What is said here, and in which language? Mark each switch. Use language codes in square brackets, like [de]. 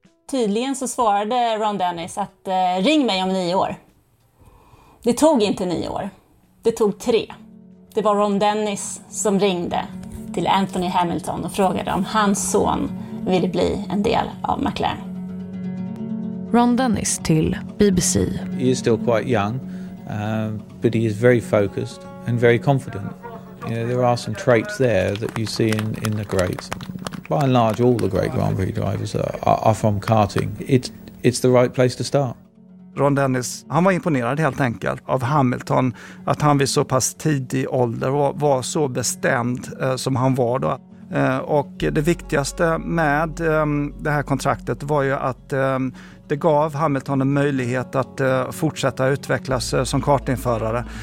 [sv] Tydligen så svarade Ron Dennis att ring mig om 9 år. Det tog inte 9 år. Det tog 3. Det var Ron Dennis som ringde till Anthony Hamilton och frågade om hans son ville bli en del av McLaren. Ron Dennis till BBC. [en] He is still quite young, but he is very focused and very confident. You know, there are some traits there that you see in the greats. By and large, all the great Grand Prix drivers are from karting. It's the right place to start. [sv] Ron Dennis, han var imponerad helt enkelt av Hamilton, att han vid så pass tidig ålder var så bestämd som han var då. Och det viktigaste med det här kontraktet var ju att det gav Hamilton en möjlighet att fortsätta utvecklas som kartingförare.